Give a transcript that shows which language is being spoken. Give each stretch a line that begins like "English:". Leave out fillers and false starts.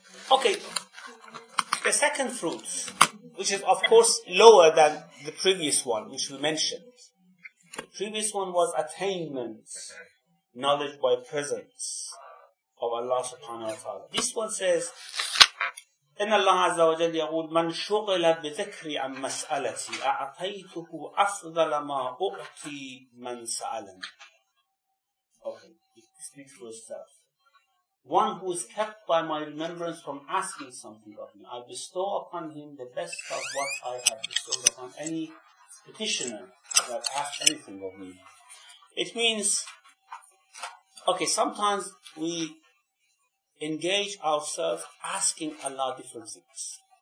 English: Okay, the second fruit, which is of course lower than the previous one, which we mentioned. The previous one was attainment, knowledge by presence of Allah subhanahu wa ta'ala.
Arabic: This one says, إِنَّ اللَّهَ عَزَّ وَجَلْ يَقُولْ مَنْ شُغِلَ بِذِكْرِ عَمْ مَسْأَلَتِي أَعْطَيْتُهُ أَفْضَلَ مَا أُعْطِي مَنْ سَأَلَنِي.
English: Okay, it speaks for itself. One who is kept by my remembrance from asking something of me, I bestow upon him the best of what I have bestowed upon any petitioner that asks anything of me. It means, okay, sometimes we engage ourselves asking Allah different things.